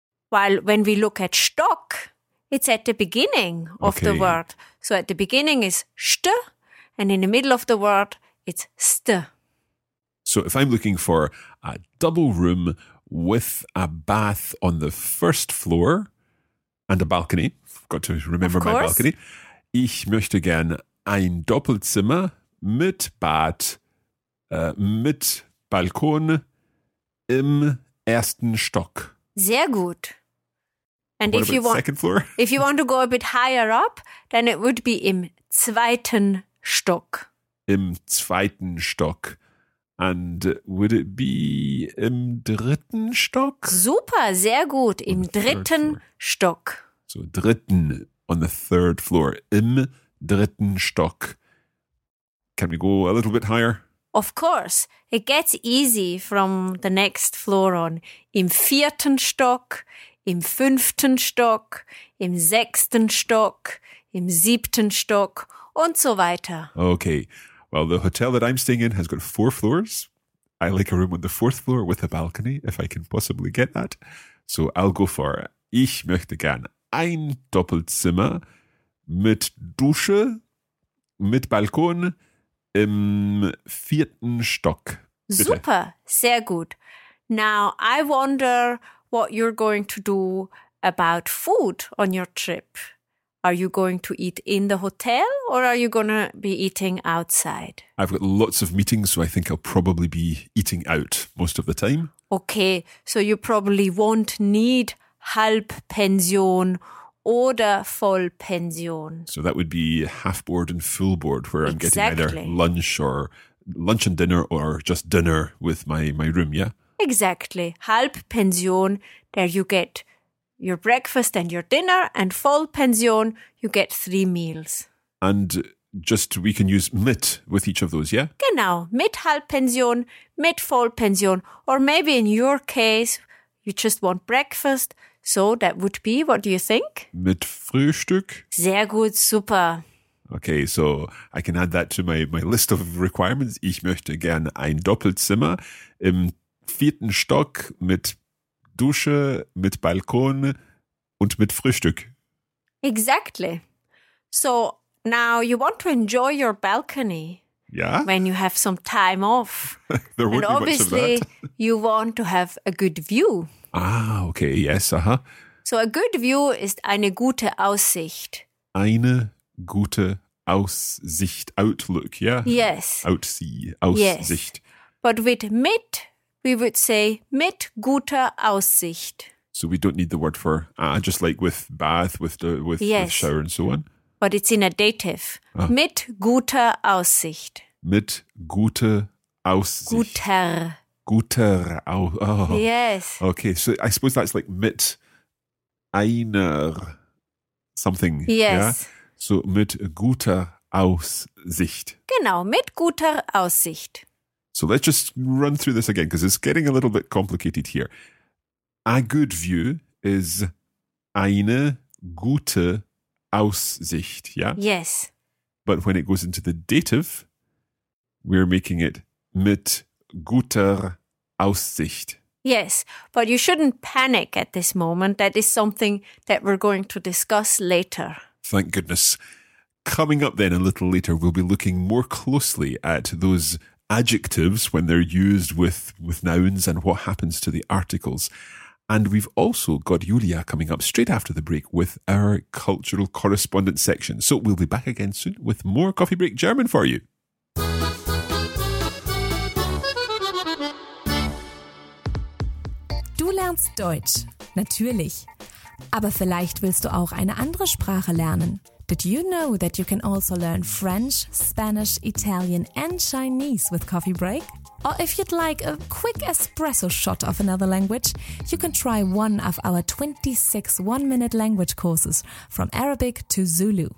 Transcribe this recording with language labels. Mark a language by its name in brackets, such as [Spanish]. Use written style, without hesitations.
[English] While when we look at Stock, it's at the beginning of the word. So at the beginning is st, and in the middle of the word, it's st. So if I'm looking for a double room with a bath on the first floor and a balcony, I've got to remember my balcony. [German] Ich möchte gern ein Doppelzimmer mit Bad, mit Balkon im ersten Stock. Sehr gut. [English] And what if about you want, second floor? If you want to go a bit higher up, then it would be [German] im zweiten Stock. Im zweiten Stock. [English] And would it be [German] im dritten Stock? Super, sehr gut. Im dritten Stock. [English] So dritten on the third floor. [German] Im dritten Stock. [English] Can we go a little bit higher? Of course. It gets easy from the next floor on. [German] Im vierten Stock, im fünften Stock, im sechsten Stock, im siebten Stock und so weiter. [English] Okay. Well, the hotel that I'm staying in has got four floors. I like a room on the fourth floor with a balcony, if I can possibly get that. So I'll go for [German] ich möchte gern ein Doppelzimmer mit Dusche, mit Balkon im vierten Stock. Bitte. Super, sehr gut. [English] Now, I wonder what you're going to do about food on your trip. Are you going to eat in the hotel or are you going to be eating outside? I've got lots of meetings, so I think I'll probably be eating out most of the time. Okay, so you probably won't need [German] Halbpension oder Vollpension. [English] So that would be half board and full board where I'm getting either lunch or lunch and dinner or just dinner with my room, yeah? Exactly. Halbpension, there you get your breakfast and your dinner, and full pension, you get three meals. And just we can use mit with each of those, yeah? [German] Genau. Mit Halbpension, mit Vollpension. [English] Or maybe in your case, you just want breakfast. So that would be, what do you think? [German] Mit Frühstück. Sehr gut, super. [English] Okay, so I can add that to my list of requirements. [German] Ich möchte gern ein Doppelzimmer im vierten Stock mit Dusche, mit Balkon und mit Frühstück. [English] Exactly. So now you want to enjoy your balcony. Yeah. When you have some time off. There wouldn't be obviously much of that. You want to have a good view. Ah, okay. Yes, So a good view is [German] eine gute Aussicht. Eine gute Aussicht, outlook, yeah? [English] Yes. [German] Outsee, Aussicht. [English] Yes. But with mit, we would say [German] mit guter Aussicht. [English] So we don't need the word for just like with bath, with shower and so on. But it's in a dative. Ah. [German] Mit guter Aussicht. Mit guter Aussicht. Guter. Guter. [English] Yes. Okay, so I suppose that's like mit einer something. Yes. Yeah? So [German] mit guter Aussicht. Genau, mit guter Aussicht. [English] So let's just run through this again, because it's getting a little bit complicated here. A good view is eine gute Aussicht, yeah? Yes. But when it goes into the dative, we're making it mit guter Aussicht. Yes, but you shouldn't panic at this moment. That is something that we're going to discuss later. Thank goodness. Coming up then a little later, we'll be looking more closely at those adjectives when they're used with nouns and what happens to the articles. And we've also got Julia coming up straight after the break with our cultural correspondence section. So we'll be back again soon with more Coffee Break German for you. [German] Du lernst Deutsch, natürlich. Aber vielleicht willst du auch eine andere Sprache lernen. [English] Did you know that you can also learn French, Spanish, Italian and Chinese with Coffee Break? Or if you'd like a quick espresso shot of another language, you can try one of our 26 one-minute language courses from Arabic to Zulu.